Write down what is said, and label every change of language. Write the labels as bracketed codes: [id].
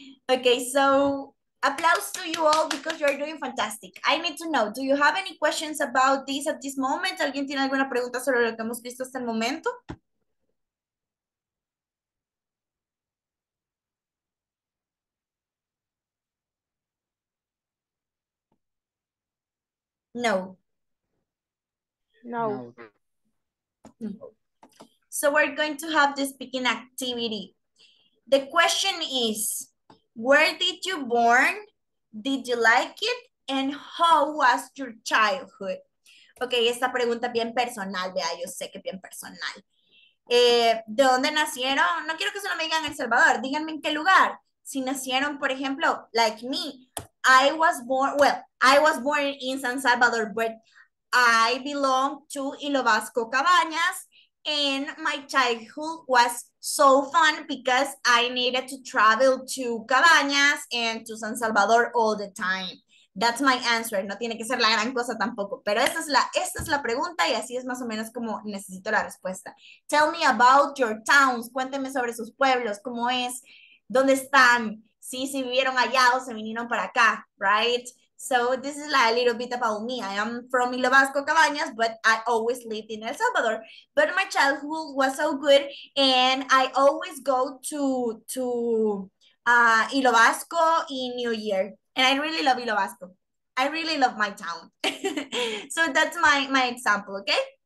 [en] Okay, so applause to you all because you're doing fantastic. I need to know, do you have any questions about this at this moment? [es] ¿Alguien tiene alguna pregunta sobre lo que hemos visto hasta el momento? No. No. No. [en] So we're going to have this speaking activity. The question is, where did you born? Did you like it? And how was your childhood? [es] Okay, esta pregunta bien personal, vea, yo sé que bien personal. ¿De dónde nacieron? No quiero que solo me digan El Salvador, díganme en qué lugar. Si nacieron, por ejemplo, [en] like me, I was born in San Salvador, but I belong to Ilo Vasco Cabañas, and my childhood was so fun because I needed to travel to Cabañas and to San Salvador all the time. That's my answer. [es] No tiene que ser la gran cosa tampoco, pero esta es la pregunta y así es más o menos como necesito la respuesta. [en] Tell me about your towns. [es] Cuénteme sobre sus pueblos, cómo es, dónde están, si vivieron allá o se vinieron para acá, right? [en] So this is like a little bit about me. I am from Ilo Vasco Cabañas, but I always lived in El Salvador. But my childhood was so good, and I always go to Ilo Vasco in New Year. And I really love Ilo Vasco. I really love my town. So that's my example, okay?